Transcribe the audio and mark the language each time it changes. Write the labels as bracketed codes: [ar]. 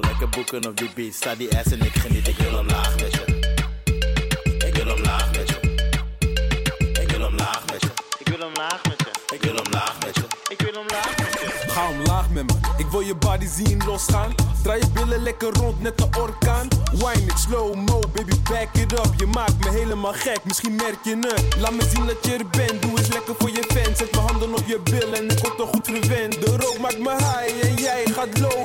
[nl] Lekker boeken op die beat, sta die ass en ik geniet. Ik wil omlaag met je. Ik wil omlaag met je. Ik wil omlaag met je. Ik wil omlaag met je. Ik wil omlaag met je. Ik wil omlaag met je. Ga omlaag met me, ik wil je body zien losgaan. Draai je billen lekker rond, net een orkaan. [en] Wine it slow-mo, baby back it up. [nl] Je maakt me helemaal gek, misschien merk je het. Laat me zien dat je er bent, doe eens lekker voor je fans. Zet mijn handen op je billen en ik word toch goed gewend. De rook maakt me high en jij gaat low.